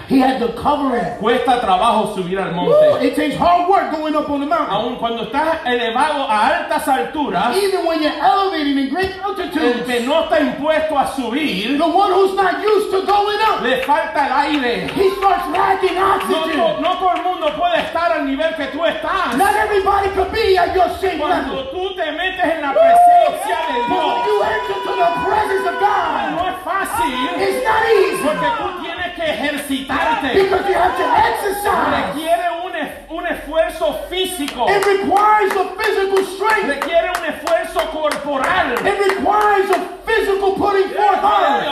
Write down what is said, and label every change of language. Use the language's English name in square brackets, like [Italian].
[English] He had the covering. [Spanish] Cuesta trabajo subir al monte. [English] Ooh, it takes hard work going up on the mountain. [Spanish] Aun cuando estás elevado a altas alturas. [English] Even when you're elevating in great altitudes. [Spanish] El que no está impuesto a subir. [English] The one who's not used to going up. [Spanish] Le falta el aire. [English] He starts lacking oxygen. [Spanish] No todo el mundo puede estar al nivel que tú estás. [English] Not everybody could be at your same level. [Spanish] Cuando tú te metes en la presencia de Dios. [English] But when you enter to the presence of God. [Spanish] No es fácil. [English] It's not easy. [Spanish] Porque tú tienes que ejercitarte. [English] Because you have to exercise. [Spanish] Requiere un esfuerzo físico. [English] It requires a physical strength. [Spanish] Requiere un esfuerzo corporal. [English] It requires a physical putting forth on.